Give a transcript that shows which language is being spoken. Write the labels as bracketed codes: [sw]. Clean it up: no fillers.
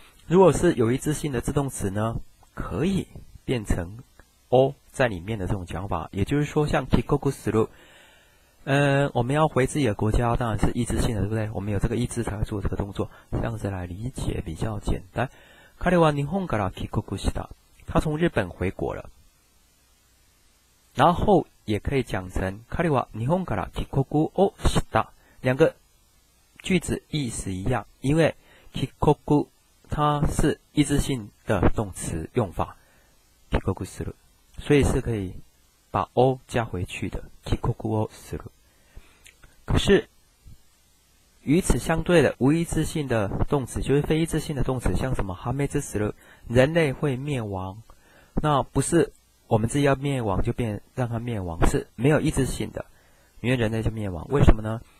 [zh] 如果是有意志性的自动词呢，可以变成 o 在里面的这种讲法。也就是说，像 kikokusuru，我们要回自己的国家，当然是意志性的，对不对？我们有这个意志才会做这个动作，这样子来理解比较简单。 [ja] 彼は日本から帰国した。 [zh] 他从日本回国了。然后也可以讲成 [ja] 彼は日本から帰国をした。 [zh] 两个句子意思一样，因为 kikoku 它是意志性的动词用法，kikoku する，所以是可以把 o 加回去的 kikoku をする。可是与此相对的无意志性的动词，就是非意志性的动词，像什么哈梅兹する，人类会灭亡，那不是我们自己要灭亡就变让它灭亡，是没有意志性的，因为人类就灭亡，为什么呢？